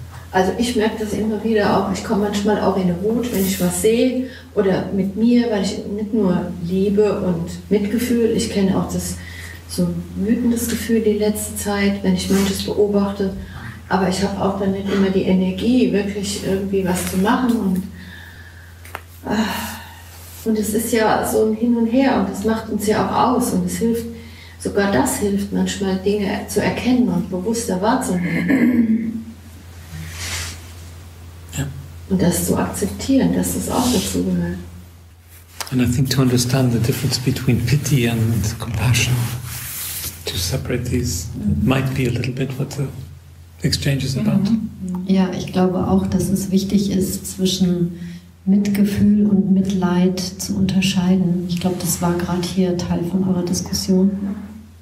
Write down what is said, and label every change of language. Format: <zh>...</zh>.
<de>Also ich merke das immer wieder auch, ich komme manchmal auch in eine Wut, wenn ich was sehe oder mit mir, weil ich nicht nur Liebe und Mitgefühl, ich kenne auch das so wütendes Gefühl die letzte Zeit, wenn ich manches beobachte, aber ich habe auch dann nicht immer die Energie, wirklich irgendwie was zu machen und es ist ja so ein Hin und Her und das macht uns ja auch aus und es hilft, sogar das hilft manchmal, Dinge zu erkennen und bewusster wahrzunehmen. Und das zu akzeptieren, dass das auch dazu gehört.</de> <en>And I think to understand the difference between pity and compassion, to separate these, might be a little bit what the exchange is about.</en> <de>Ja, ich glaube auch, dass es wichtig ist, zwischen Mitgefühl und Mitleid zu unterscheiden. Ich glaube, das war gerade hier Teil von eurer Diskussion. Ja.</de>